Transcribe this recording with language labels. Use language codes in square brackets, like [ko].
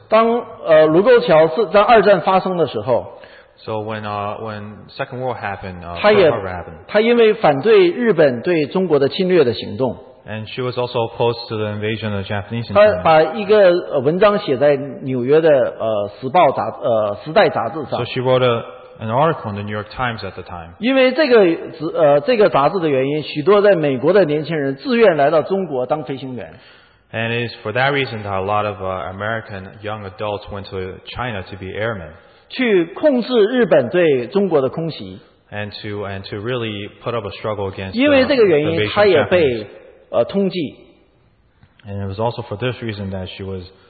[zh] 当卢沟桥是在二战发生的时候。 [en] So when Second World happened, [zh] 她也她因为反对日本对中国的侵略的行动。 [en] And she was also opposed to the invasion of Japanese. [zh] 她把一个文章写在纽约的时报杂时代杂志上。 [en] So she wrote an article in the New York Times at the time. [zh] 因为这个杂志的原因，许多在美国的年轻人自愿来到中国当飞行员。 [en] And it is for that reason that a lot of American young adults went to China to be airmen. [zh] 去控制日本对中国的空袭。 [en] And to really put up a struggle against. [zh] 因为这个原因，她也被。通缉。 [en] And it was also for this reason that she was.